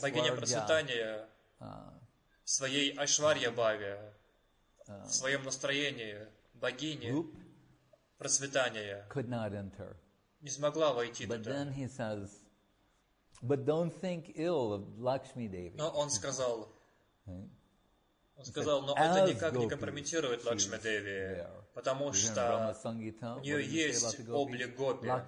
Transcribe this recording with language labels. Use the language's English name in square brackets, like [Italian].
[Russian] богиня процветания в своей Айшварья Бхаве, в своем настроении богини процветания, [English] could not enter. [Russian] Не смогла войти туда. [English] But then he says, "But don't think ill of Lakshmi Devi." [Russian] Но он сказал. Он сказал, но это никак не компрометирует Лакшми Деви, потому что у нее есть облик Гопи.